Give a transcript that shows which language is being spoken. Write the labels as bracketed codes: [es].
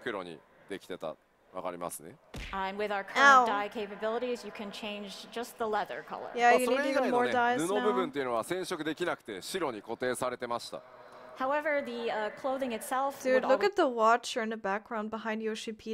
[ja] 今までの染色ですね。革の部分黒にできてた、わかりますね。 [en] And with our current dye capabilities, you can change just the leather color. Yeah, you need even more dyes now. [ja] 布の部分っていうのは染色できなくて白に固定されてました。 [en] However, the clothing itself. Dude, look at the watcher in the background behind Yoshi-P.